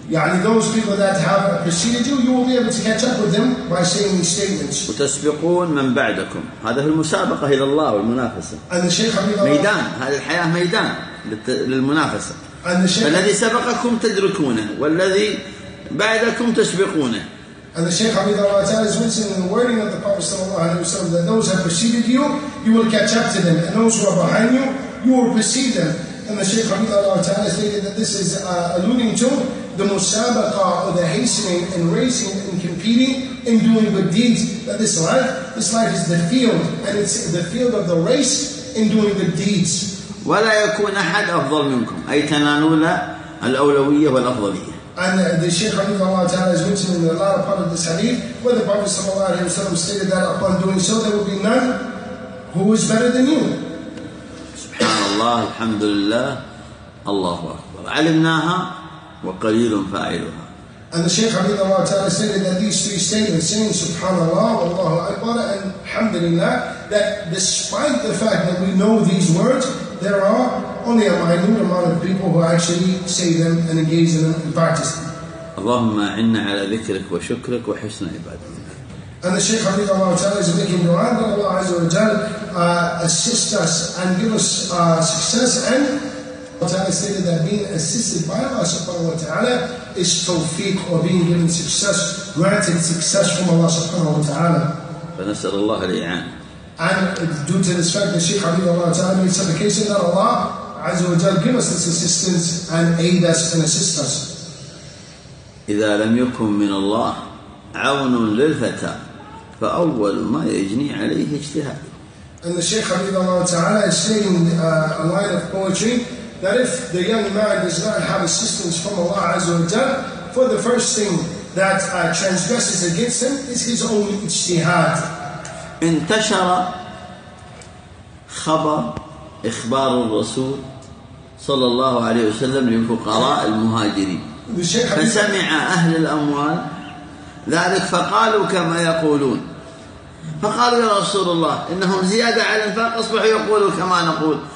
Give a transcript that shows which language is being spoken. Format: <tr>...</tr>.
<en>يعني those people that have preceded you, you will be able to catch up with them by saying these statements.</en> <ar>وتسبقون من بعدكم. هذا هو المسابقة إلى الله والمنافسة.</ar> <en>And the Shaykh</en> <ar>رحمه الله. ميدان. هذه الحياة ميدان للمنافسة.</ar> <en>And the Shaykh.</en> <ar>الذي سبقكم تدركونه والذي بعدكم تسبقونه.</ar> <en>And the Shaykh</en> <ar>رحمه الله تعالى</ar> <en>is mentioning in the wording of the Prophet</en> <ar>صلى الله عليه وسلم</ar> <en>that those have preceded you, you will catch up to them, and those who are behind you, you will precede them. And the Shaykh</en> <ar>رحمه الله تعالى</ar> <en>stated that this is alluding to the musabaqa or the hastening and racing and competing and doing good deeds. That this life is the field, and it's the field of the race in doing good deeds.</en> <ar>ولا يكون أحد أفضل منكم. أي تنالون الأولوية والأفضلية.</ar> <en>And the Shaykh</en> <ar>رحمه الله تعالى</ar> <en>is mentioning the latter part of this hadith where the Prophet</en> <ar>صلى الله عليه وسلم</ar> <en>stated that upon doing so there will be none who is better than you.</en> <ar>الله الحمد لله الله أكبر علمناها وقليل فاعلها.</ar> <en>And the Shaykh</en> <ar>رحمه الله تعالى</ar> <en>stated that these three statements saying Subhanallah, Allahu Akbar, and Alhamdulillah, that despite the fact that we know these words, there are only a minute amount of people who actually say them and engage in them and practice them.</en> <ar>اللهم إنا على ذكرك وشكرك وحسن عبادتك.</ar> <en>And the Shaykh</en> <ar>رحمه الله تعالى</ar> <en>is making dua that Allah Azza wa Jal assist us and give us success. And Allah Ta'ala stated that being assisted by Allah Subhanahu wa Ta'ala is tawfiq, or being given success, granted success from Allah Subhanahu wa Ta'ala.</en> <ar>فنسأل الله الإعانة.</ar> <en>And due to this fact, the Shaykh</en> <ar>رحمه الله تعالى</ar> <en>made supplication that Allah Azza wa Jal give us this assistance and aid us and assist us.</en> <ar>إذا لم يكن من الله عون للفتى فأول ما يجني عليه اجتهاد.</ar> <en>And the Shaykh</en> <ar>رحمه الله تعالى</ar> <en>is saying a line of poetry that if the young man does not have assistance from Allah Azza wa Jal, for the first thing that transgresses against him is his own اجتهاد.</en> <ar>انتشر خبر إخبار الرسول صلى الله عليه وسلم للفقراء المهاجرين. فسمع أهل الأموال ذلك فقالوا كما يقولون فقال يا رسول الله إنهم زيادة على الإنفاق أصبحوا يقولوا كما نقول.</ar>